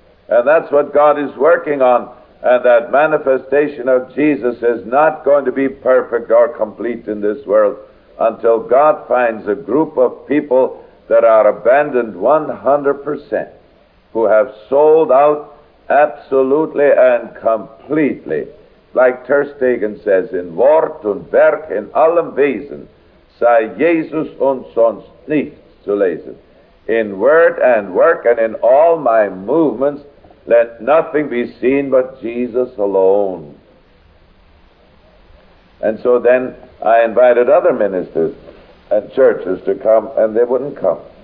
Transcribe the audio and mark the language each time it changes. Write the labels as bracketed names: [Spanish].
[English] And that's what God is working on. And that manifestation of Jesus is not going to be perfect or complete in this world until God finds a group of people that are abandoned 100%, who have sold out absolutely and completely. Like Terstegen says, [German] in Wort und Werk, in allem Wesen, sei Jesus und sonst nichts zu lesen. [English] In word and work and in all my movements, let nothing be seen but Jesus alone. And so then I invited other ministers and churches to come, and they wouldn't come.